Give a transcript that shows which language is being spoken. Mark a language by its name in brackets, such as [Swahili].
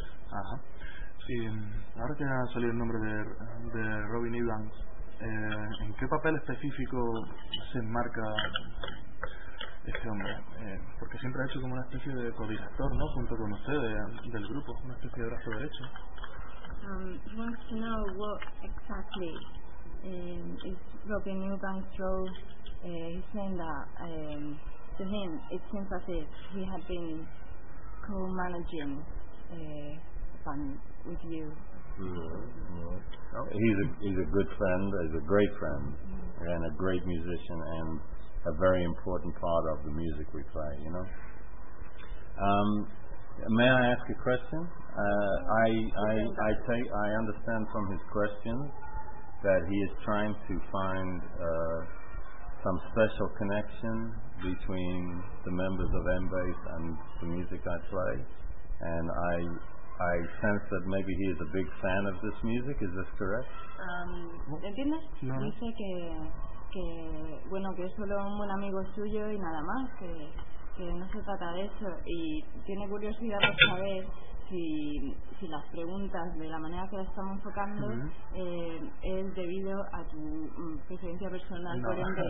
[Spanish] Ajá. Y ahora que ha salido el nombre de Robin Eubanks, ¿en qué papel específico se enmarca este hombre? Porque siempre ha hecho como una especie de codirector, ¿no? Junto con ustedes, del grupo, una especie de brazo derecho. [English] He wants to know what exactly is Robin Eubanks' role. He's saying that. To him, it seems as if he had been co-managing a band with you. Yeah, yeah. He's a good friend, he's a great friend, mm-hmm. and a great musician, and a very important part of the music we play, you know. May I ask a question? I understand from his question that he is trying to find some special connection between the members of M-Bass and the music I play, and I sense that maybe he is a big fan of this music. Is this correct? [Spanish] ¿Entiendes? No. Dice que bueno, que es solo un buen amigo suyo y nada más, que no se trata de eso, y tiene curiosidad por saber si las preguntas de la manera que las estamos enfocando mm-hmm. Es debido a tu preferencia personal no. por él.